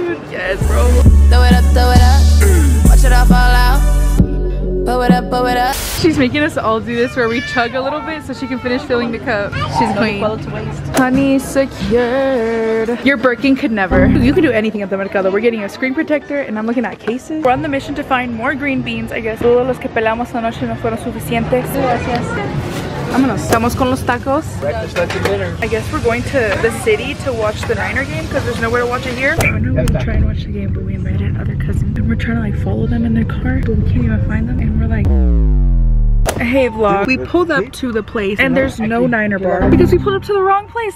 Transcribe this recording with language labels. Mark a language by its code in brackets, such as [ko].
[en] Yes, bro. Throw it up, watch it all fall out. Pull it up, pull it up. She's making us all do this where we chug a little bit so she can finish filling the cup. She's queen. Honey secured. Your Birkin could never. You can do anything at the mercado. We're getting a screen protector and I'm looking at cases. We're on the mission to find more green beans, I guess. [es] Todos los que pelamos anoche no fueron suficientes. Gracias. Vámonos. Estamos con los tacos. [en] Breakfast, lunch, and dinner. I guess we're going to the city to watch the Niner game because there's nowhere to watch it here. I know we try and watch the game, but we invited other cousins. And we're trying to like follow them in their car, but we can't even find them. And we're like... Hey vlog, we pulled up to the place and there's no Niner bar because we pulled up to the wrong place.